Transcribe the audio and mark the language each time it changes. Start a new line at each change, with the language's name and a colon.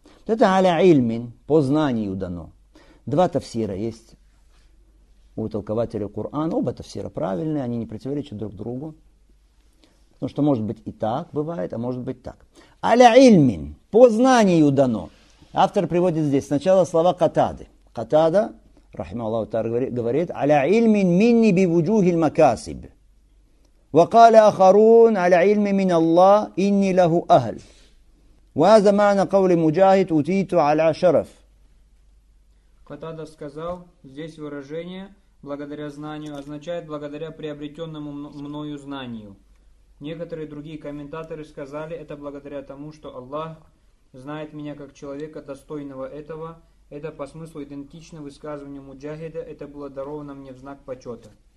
Russian: Это аля ильмин, по знанию дано. Два тафсира есть у толкователя Корана. Оба тафсира правильные, они не противоречат друг другу. Потому что может быть и так бывает, а может быть так. Аля ильмин, по знанию дано. Автор приводит здесь сначала слова катады. Катада.
Arabic: رحمه الله تعالى
Russian: говорит
Arabic: على علم مني بوجوه المكاسب وقال آخرون على علم من الله إني له أهل وهذا معنى قول مجاهد أتيت على شرف
Russian: Катада сказал, здесь выражение «благодаря знанию» означает «благодаря приобретенному мною знанию». Некоторые другие комментаторы сказали, это благодаря тому, что Аллах знает меня как человека, достойного этого. Это по смыслу идентично высказыванию Муджахида, это было даровано мне в знак почета.